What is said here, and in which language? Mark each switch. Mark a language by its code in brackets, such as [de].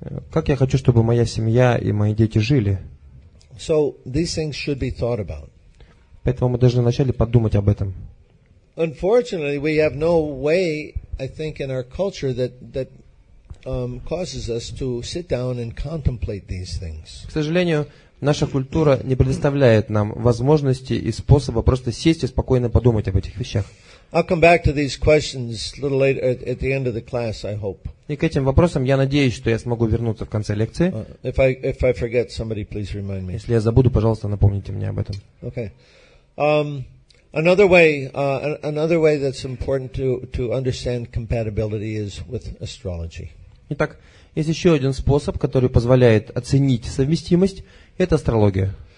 [ru] Как я хочу, чтобы моя семья и мои дети жили? [en] So these things should be thought about. [ru] Поэтому мы должны вначале подумать об этом. [en] Unfortunately, we have no way, I think, in our culture that causes us to sit down and contemplate these things. [ru] К сожалению, наша культура не предоставляет нам возможности и способа просто сесть и спокойно подумать об этих вещах. [en] I'll come back to these questions a little later at the end of the class, I hope. [ru] И к этим вопросам я надеюсь, что я смогу вернуться в конце лекции. [en] If I forget, somebody please remind me. [ru] Если я забуду, пожалуйста, напомните мне об этом. [en] Okay. Another way that's important to understand compatibility is with astrology. [ru] Итак, есть еще один способ, который позволяет оценить совместимость, это астрология.